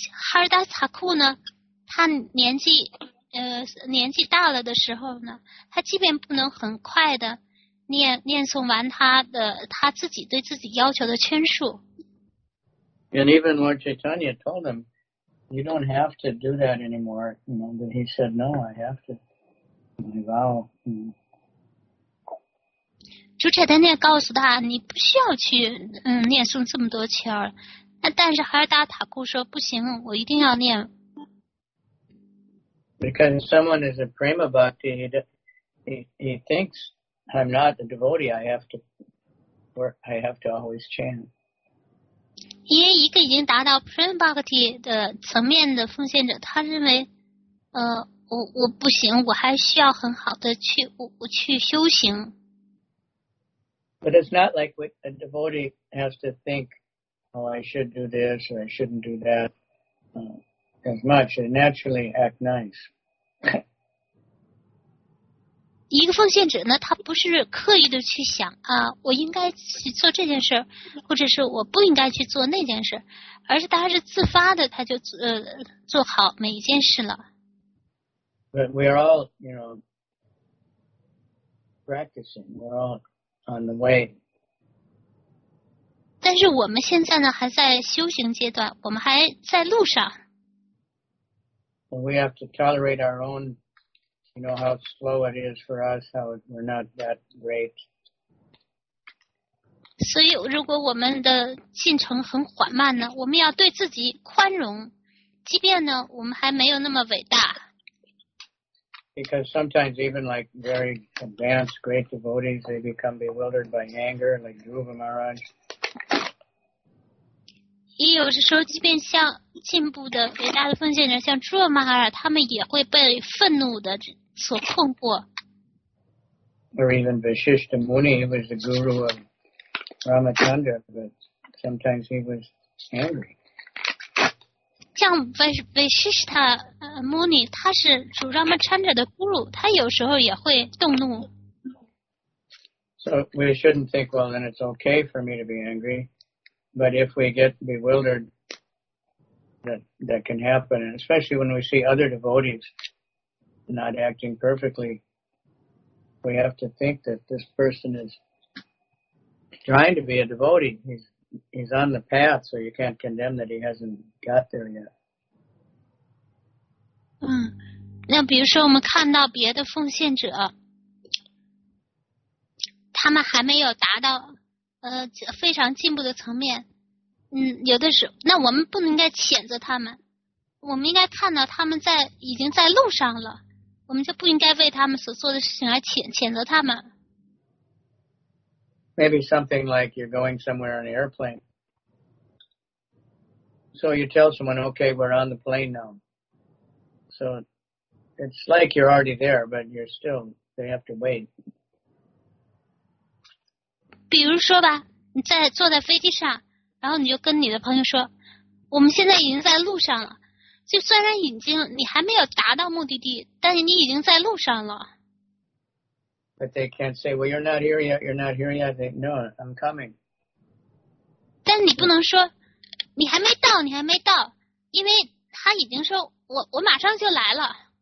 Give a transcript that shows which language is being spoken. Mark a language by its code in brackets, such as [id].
[zh] Haridas Thakur 呢，他年纪大了的时候呢，他即便不能很快的念诵完他自己对自己要求的圈数。 [en] And even Lord Chaitanya told him,You don't have to do that anymore, you know, but he said, no, I have to, my vow. [zh] 主持人也告诉他，你不需要去念诵这么多圈，那但是哈尔达塔库说，不行，我一定要念。 [en] Because someone is a prema bhakti, he thinks, I'm not a devotee, I have to always chant. [zh] 因为一个已经达到 prema bhakti 的层面的奉献者，他认为，我不行，我还需要很好的去修行。 [en] But it's not like a devotee has to think, oh, I should do this or I shouldn't do that, as much. They naturally act nice. [zh] 一个奉献者呢，他不是刻意的去想啊，我应该去做这件事，或者是我不应该去做那件事，而是他是自发的，他就做好每一件事了。 [en] But we are all, you know, practicing. We're all on the way. [zh] 但是我们现在呢，还在修行阶段，我们还在路上。 [en] Well, we have to tolerate our own. You know how slow it is for us, how we're not that great. [zh] 所以如果我们的进程很缓慢呢，我们要对自己宽容，即便呢，我们还没有那么伟大。 [en] Because sometimes even like very advanced, great devotees, they become bewildered by anger, like Dhruva Maharaj. [zh] 也有时候即便像进步的伟大的奉献者，像Dhruva Maharaj，他们也会被愤怒的所困惑。 [en] Or even Vasishtha Muni, he was the guru of Ramachandra, but sometimes he was angry. [zh] 像 Vasishtha Muni, 他是主 Ramachandra 的 guru, 他有时候也会动怒。 [en] So we shouldn't think, well, then it's okay for me to be angry. But if we get bewildered, that can happen. And especially when we see other devotees not acting perfectly, we have to think that this person is trying to be a devotee. He's on the path, so you can't condemn that he hasn't got there yet. [zh] 那比如说我们看到别的奉献者, 他们还没有达到非常进步的层面, 有的时候那我们不应该谴责他们, 我们应该看到他们已经在路上了, 我们就不应该为他们所做的事情而谴责他们。 [en] Maybe something like you're going somewhere on an airplane. So you tell someone, okay, we're on the plane now. So it's like you're already there, but you're still, they have to wait. [zh] 比如说吧, 你坐在飞机上, 然后你就跟你的朋友说, 我们现在已经在路上了, 就虽然已经, 你还没有达到目的地, 但是你已经在路上了。 [en] But they can't say, well, you're not here yet, you're not here yet. They, no, I'm coming. [zh] 但你不能说, 你还没到, 你还没到, 因为他已经说, 我马上就来了。